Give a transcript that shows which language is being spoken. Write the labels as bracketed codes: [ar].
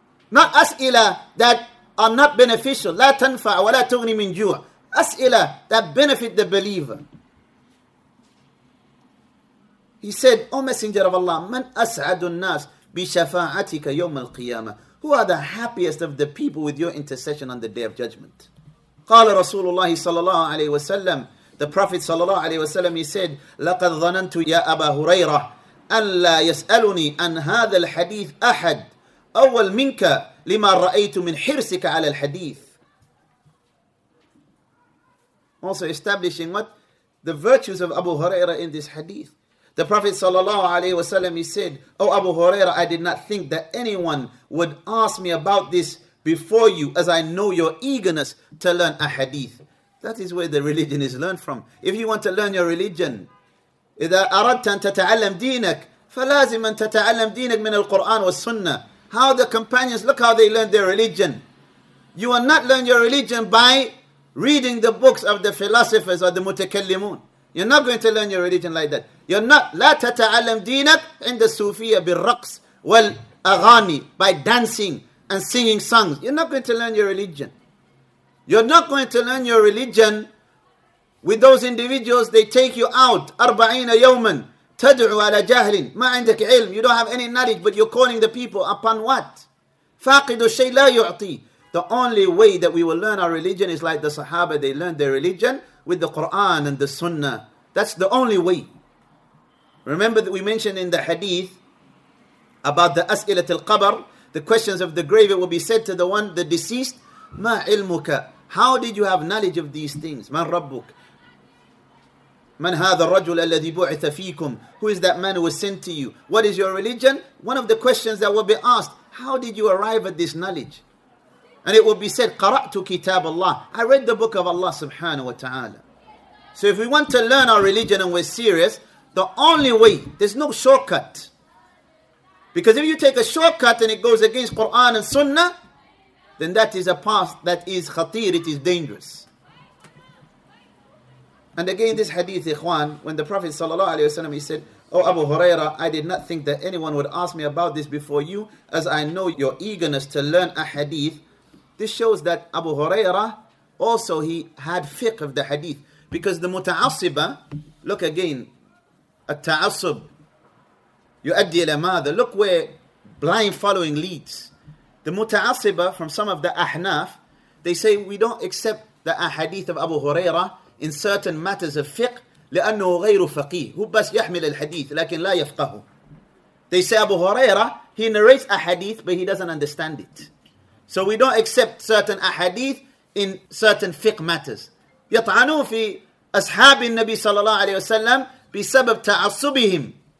[en] Not as'ila that are not beneficial. [ar] La tanfa' wa la tughni min ju'. [en] As'ila that benefit the believer. He said, O Messenger of Allah, [ar] man as'adu an-nas bi shafa'atika yawm al-qiyamah. [en] Who are the happiest of the people with your intercession on the day of judgment? [ar] قال رسول الله صلى الله عليه وسلم. [en] The Prophet [ar] صلى الله عليه وسلم, [en] he said, [ar] لقد ظننت يا أبا هريرة أن لا يسألني عن هذا الحديث أحد أول منك لما رأيت من حرصك على الحديث. [en] Also establishing what the virtues of Abu Huraira in this hadith. The Prophet sallallahu alaihi wasallam, he said, O Abu Hurairah, I did not think that anyone would ask me about this before you, as I know your eagerness to learn a hadith. That is where the religion is learned from. If you want to learn your religion, [ar] إذا أردت أن تتعلم دينك فلازم أن تتعلم دينك من القرآن والسنة. [en] How the companions, look how they learned their religion. You will not learn your religion by reading the books of the philosophers or the mutakallimun. You're not going to learn your religion like that. You're not. [ar] لا تتعلم دينك عند الصوفية بالرقص والأغاني, [en] by dancing and singing songs. You're not going to learn your religion. You're not going to learn your religion with those individuals. They take you out 40 [ar] يوماً تدعو على جهل. ما عندك علم. [en] You don't have any knowledge, but you're calling the people upon what? [ar] فاقد الشيء لا يعطي. [en] The only way that we will learn our religion is like the Sahaba. They learned their religion with the Quran and the Sunnah. That's the only way. Remember that we mentioned in the hadith about the [ar] أسئلة القبر, [en] the questions of the grave, it will be said to the one, the deceased, [ar] ما علمك? [en] How did you have knowledge of these things? [ar] من ربك? من هذا الرجل الذي بعث فيكم? [en] Who is that man who was sent to you? What is your religion? One of the questions that will be asked, how did you arrive at this knowledge? And it will be said, [ar] قرأت كتاب الله. [en] I read the book of Allah subhanahu wa ta'ala. So if we want to learn our religion and we're serious, the only way, there's no shortcut. Because if you take a shortcut and it goes against Quran and Sunnah, then that is a path that is khatir, it is dangerous. And again, this hadith, ikhwan, when the Prophet sallallahu alaihi wasallam, he said, O Abu Hurairah, I did not think that anyone would ask me about this before you, as I know your eagerness to learn a hadith. This shows that Abu Hurairah, also he had fiqh of the hadith. Because the muta'asiba, look again, at-ta'asub, [ar] يؤدي إلى ماذا? [en] Look where blind following leads. The muta'asiba from some of the ahnaf, they say, we don't accept the ahadith of Abu Hurairah in certain matters of fiqh, [ar] لأنه غير فقيه. هو بس يحمل الحديث, لكن لا يفقه. [en] They say Abu Hurairah, he narrates a hadith, but he doesn't understand it. So we don't accept certain ahadith in certain fiqh matters. [ar] يطعنون في أصحاب النبي صلى الله عليه وسلم بسبب تعصبهم.